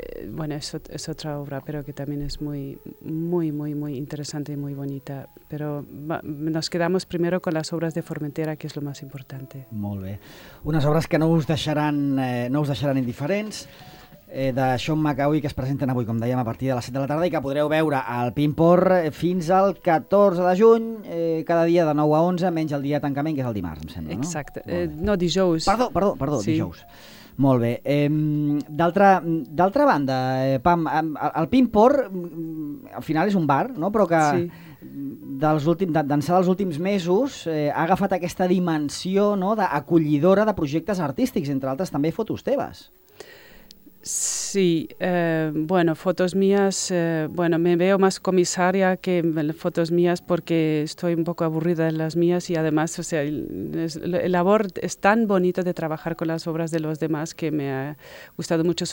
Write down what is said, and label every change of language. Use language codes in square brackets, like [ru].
[es] bueno, es otra obra, pero que también es muy, muy, muy, muy interesante y muy bonita. Pero nos quedamos primero con las obras de Formentera, que es lo más importante. [ca] Molt bé. Unes obres que no us deixaran indiferents. de Sean McAuey, que es presenten avui, com dèiem, a partir de les 7 de la tarda i que podreu veure al Pimpor fins al 14 de juny, cada dia de 9 a 11, menys el dia de tancament, que és el dimarts, em sembla. Exacte. No, dijous. Perdó, sí. Dijous. Molt bé. D'altra banda, Pam, el Pimpor al final és un bar, no? Però que... Sí. D'ençà dels últims mesos ha agafat aquesta dimensió, no, d'acollidora de projectes artístics, entre altres també fotos teves. [es] Sí, bueno, fotos mías, bueno, me veo más comisaria que fotos mías porque estoy un poco aburrida de las mías y además, o sea, el labor es tan bonito de trabajar con las obras de los demás que me ha gustado mucho.